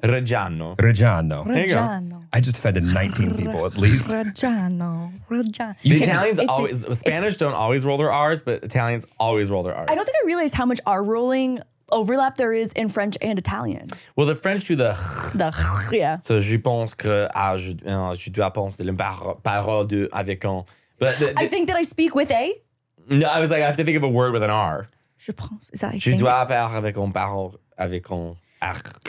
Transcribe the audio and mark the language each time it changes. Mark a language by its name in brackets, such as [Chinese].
[English] Reggiano. Reggiano. There you go. I just offended 19 people at least. Reggiano. Reggiano. The Italians Spanish don't always roll their R's, but Italians always roll their R's. I don't think I realized how much R rolling overlap there is in French and Italian. Well, the French do the yeah. [French] So je pense que je dois penser les paroles de avec un. [English] But I think that I speak with a. No, I was like, I have to think of a word with an R. [French] Je pense. [English] Is that [French] je dois parler avec un parole avec un R.